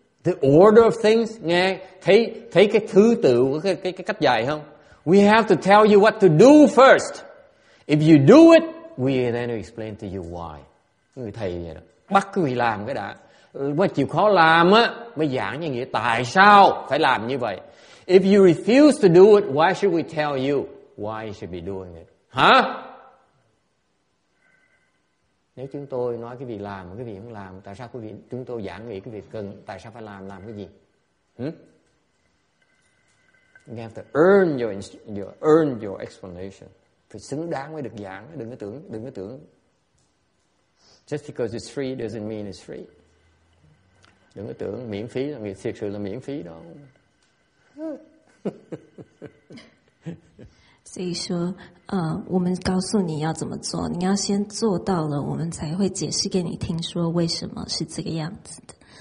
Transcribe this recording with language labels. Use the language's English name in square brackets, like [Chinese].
[English] The order of things, [Vietnamese] nghe, thấy cái thứ tự, cái cách dạy không? [English] We have to tell you what to do first. If you do it, we then explain to you why. [Vietnamese] Người thầy vậy đó. Bắt người làm cái đã. Mà chịu khó làm á, mới giảng như nghĩa tại sao phải làm như vậy. [English] If you refuse to do it, why should we tell you why you should be doing it? Hả? [Vietnamese] Nếu chúng tôi nói cái việc làm, cái việc không làm, tại sao quý vị, chúng tôi giảng nghĩ cái việc cần, tại sao phải làm cái gì? [English] You have to earn your explanation. [Vietnamese] Phải xứng đáng mới được giảng, đừng có tưởng. [English] Just because it's free doesn't mean it's free. [Vietnamese] Đừng có tưởng miễn phí, là thiệt sự là miễn phí đó. [Chinese] 所以说，我们告诉你要怎么做，你要先做到了，我们才会解释给你听，说为什么是这个样子的。